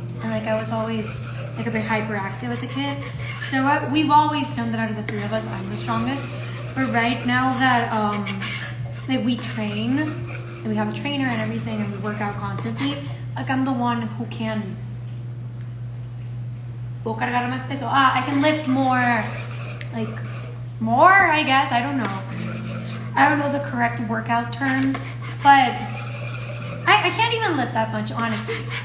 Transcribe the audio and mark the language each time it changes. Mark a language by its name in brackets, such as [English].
[English] And, like, I was always, like, a bit hyperactive as a kid. So, we've always known that out of the three of us, I'm the strongest. But right now that like we train and we have a trainer and everything and we work out constantly, like I'm the one who can. [Spanish] Puedo cargar más peso. Ah, [English] I can lift more. like more, I guess. I don't know. I don't know the correct workout terms, but I can't even lift that much, honestly.